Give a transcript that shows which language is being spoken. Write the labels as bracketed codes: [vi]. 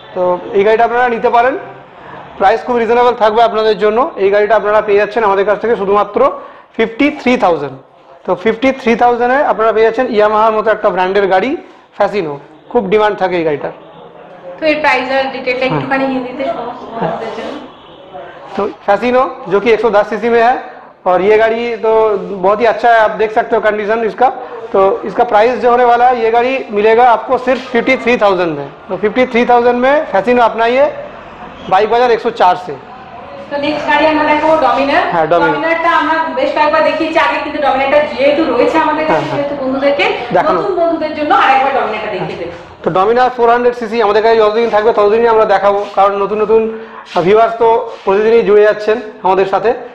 [bn] তো এই গাড়িটা আপনারা নিতে পারেন, প্রাইস খুব রিজনেবল থাকবে আপনাদের জন্য। এই গাড়িটা আপনারা পেয়ে যাচ্ছেন আমাদের কাছ থেকে শুধুমাত্র 53,000। তো 53,000-এ আপনারা পেয়ে যাচ্ছেন ইয়ামাহার মতো একটা ব্র্যান্ডের গাড়ি ফ্যাসিনো। খুব ডিমান্ড থাকে এই গাড়িটার। তো এর প্রাইস আর ডিটেইলটা একটুখানি হিন্দিতে শোনাবো। তো ফ্যাসিনো [hi] जो कि 110 सीसी में है, और ये गाड़ी तो बहुत ही अच्छा है, आप देख सकते हो कंडीशन इसका। तो इसका प्राइस जो होने वाला है, ये गाड़ी मिलेगा आपको सिर्फ 53,000 में। तो 53,000 में फैसिनो अपना ये बाइक बाजार 104 से। [bn] তো নেক্সট গাড়ি আমরা দেখাবো ডমিনার। হ্যাঁ, ডমিনারটা আমরা বেশ কয়েকবার দেখিয়েছি আগে, কিন্তু ডমিনারটা যেহেতু রয়েছে আমাদের কাছে, যেহেতু বন্ধুদেরকে নতুন বন্ধুদের জন্য আরেকবার ডমিনারটা দেখিয়ে দেব। তো ডমিনার 400 সিসি আমাদের কাছে যতদিন থাকবে ততদিনই আমরা দেখাবো, কারণ নতুন নতুন ভিউয়ার্স তো প্রতিদিনই জুড়ে যাচ্ছেন আমাদের সাথে।